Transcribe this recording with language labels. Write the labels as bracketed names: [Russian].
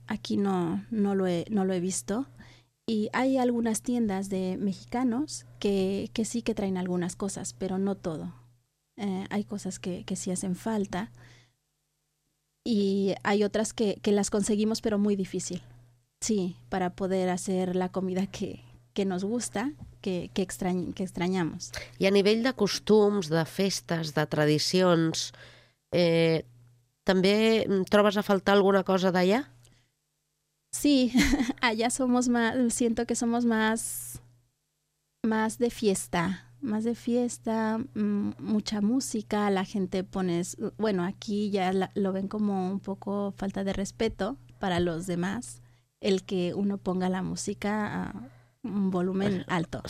[Spanish] Aquí no lo he visto. Y hay algunas tiendas de mexicanos que sí que traen algunas cosas, pero no todo. Hay cosas que sí hacen falta. Y hay otras que las conseguimos, pero muy difícil. Sí, para poder hacer la comida que nos gusta, que extrañamos. [Catalan] I a nivell de costums, de festes, de tradicions, també trobes a faltar alguna cosa d'allà? [Spanish] Sí, allá somos más, siento que somos más de fiesta, mucha música, la gente bueno, aquí ya lo ven como un poco falta de respeto para los demás, el que uno ponga la música a un volumen alto.